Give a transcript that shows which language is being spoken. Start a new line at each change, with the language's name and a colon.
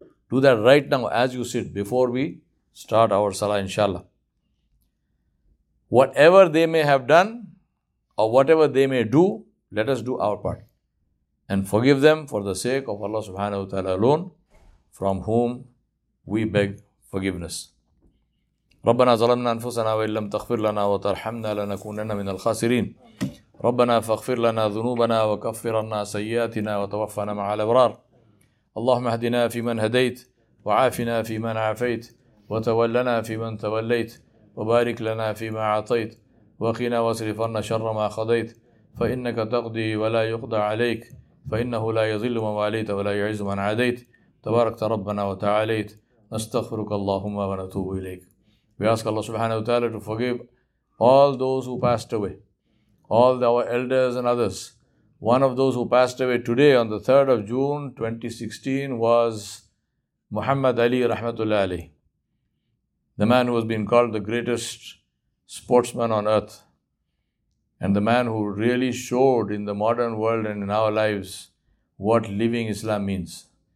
English: Do that right now as you sit, before we start our salah, inshallah. Whatever they may have done, or whatever they may do, let us do our part. And forgive them for the sake of Allah subhanahu wa ta'ala alone, from whom we beg forgiveness.
Arabic: ربنا ظلمنا أنفسنا وإن لم تغفر لنا وترحمنا لنكونن من الخاسرين ربنا فاغفر لنا ذنوبنا وكفر عنا سيئاتنا وتوفنا مع الأبرار اللهم اهدنا فيمن هديت وعافنا فيمن عافيت وتولنا فيمن توليت وبارك لنا فيما أعطيت وقنا واصرف عنا شر ما قضيت فإنك تقضي ولا يقضى عليك فإنه لا يذل من واليت ولا يعز من عاديت تباركت ربنا وتعاليت نستغفرك اللهم ونتوب إليك.
English: We ask Allah subhanahu wa ta'ala to forgive all those who passed away, all our elders and others. One of those who passed away today on the 3rd of June 2016 was Muhammad Ali rahmatullah alayh, the man who has been called the greatest sportsman on earth, and the man who really showed in the modern world and in our lives what living Islam means.